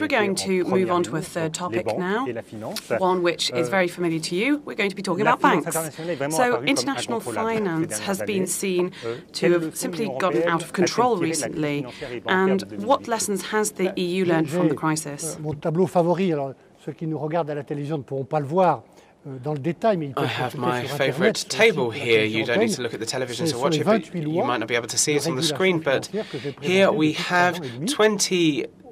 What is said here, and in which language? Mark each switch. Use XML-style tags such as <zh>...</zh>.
<en>We're going to move on to a third topic now, one which is very familiar to you. We're going to be talking about banks. So international finance has been seen to have simply gotten out of control recently. And what lessons has the EU learned from the crisis?</en> <fr>Mon tableau favori, alors ceux qui nous regardent à la télévision ne pourront pas le voir.</fr> <en>I have my favorite table here. You don't need to look at the television to watch it, but you might not be able to see it on the screen. But here we have 20</en>